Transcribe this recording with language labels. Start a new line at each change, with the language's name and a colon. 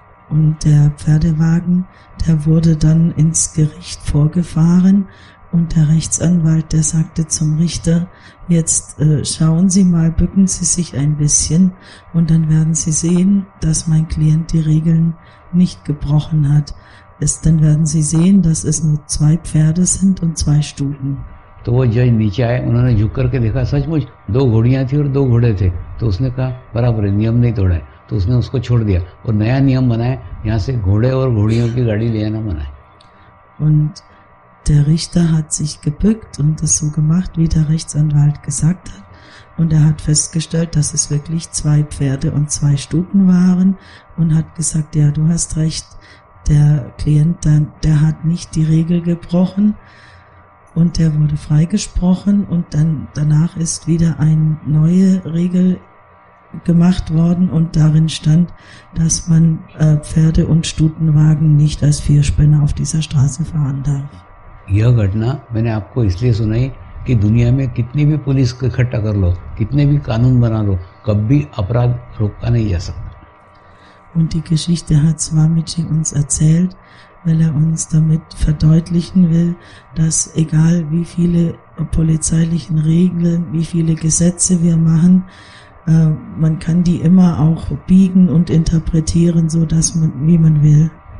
German: Und der Pferdewagen, der wurde dann ins Gericht vorgefahren und der Rechtsanwalt, der sagte zum Richter, jetzt schauen Sie mal, bücken Sie sich ein bisschen und dann werden Sie sehen, dass mein Klient die Regeln nicht gebrochen hat. Dann werden Sie sehen, dass es nur zwei Pferde sind und zwei Stuten.
Hindi: तो वो जज नीचे आए उन्होंने झुक करके देखा सचमुच दो घोड़ियां थी और दो घोड़े थे तो उसने कहा बराबर है नियम नहीं तोड़ा है तो उसने उसको छोड़ दिया और नया नियम बनाया यहां से घोड़े और घोड़ियों की गाड़ी ले आना मना है
German: Und der Richter hat sich gebückt und das so gemacht, wie der Rechtsanwalt gesagt hat. Und hat festgestellt, dass es wirklich zwei Pferde und zwei Stuten waren und hat gesagt, ja, du hast recht, der Klient, der hat nicht die Regel gebrochen. Und der wurde freigesprochen und dann danach ist wieder eine neue Regel gemacht worden und darin stand, dass man Pferde und Stutenwagen nicht als Vierspänner auf dieser Straße fahren darf.
Hindi: यह घटना मैंने आपको इसलिए सुनाई कि दुनिया में कितनी भी पुलिस इकट्ठा कर लो, कितने भी कानून बना लो, कभी अपराध रोका नहीं जा सकता।
German: Und die Geschichte hat Swamiji uns erzählt, weil uns damit verdeutlichen will, dass egal wie viele polizeilichen Regeln, wie viele Gesetze wir machen, man kann die immer auch biegen und interpretieren, so dass man, wie man will.